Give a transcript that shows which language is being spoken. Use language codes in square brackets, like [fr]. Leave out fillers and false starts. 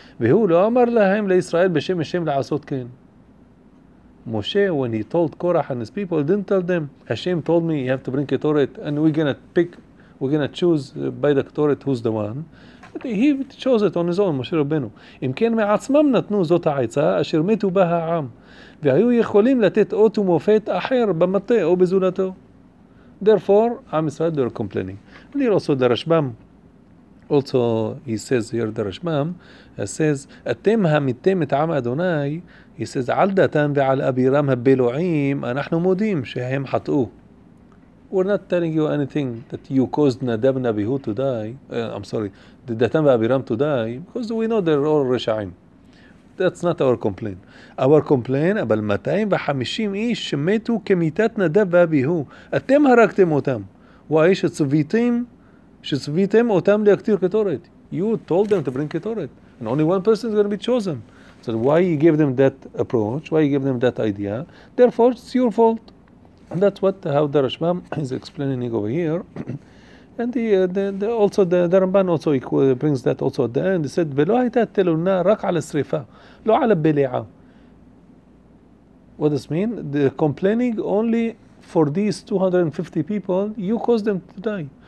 [he] Vehu lo amar lahem leIsrael b'shem Hashem laasot ken. [en] Moshe, when he told Korach and his people, didn't tell them, Hashem told me you have to bring ketoret, and we're going to choose by the ketoret who's the one. But he chose it on his own, Moshe Rabbeinu. [he] אם כן מעצמם נתנו זאת העצה אשר מתו בה העם, והיו יכולים לתת אות ומופת אחר במטה או בזולתו. [en] Therefore, עם ישראל, they're complaining. And also the Rashbam. Also, he says here, the Rashbam says, [he] אתם המתם את עם אדוני, [en] he says, [he] על דתם ועל אבירם הבלועים, אנחנו מודים שהם חטאו. [en] We're not telling you anything that you caused Nadab and Abihu to die. The Datan and Abiram to die, because we know they're all Rasha'im. That's not our complaint. Our complaint, [he] אבל 250 איש שמתו כמיתת נדב ואביהו, אתם הרגתם אותם. [en] Why? [he] שצוויתם אותם להקטיר כתורת. [en] You told them to bring כתורת. And only one person is going to be chosen. So why you gave them that approach? Why you gave them that idea? Therefore, it's your fault. And that's how the Rashbam is explaining over here. And the Ramban also brings that also at the end. He said, [he] ולא הייתה תלונה רק על השריפה, לא על הבליעה. [en] What does it mean? The complaining only for these 250 people, you caused them to die.